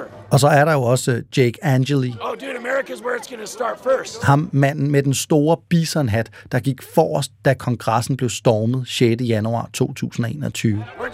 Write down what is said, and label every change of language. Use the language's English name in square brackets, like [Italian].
[Danish] Og så er der jo også Jake Angeli. [English] Oh, dude, America's where it's gonna start first. [Danish] Ham manden med den store bisonhat, der gik forrest, da kongressen blev stormet 6. januar 2021.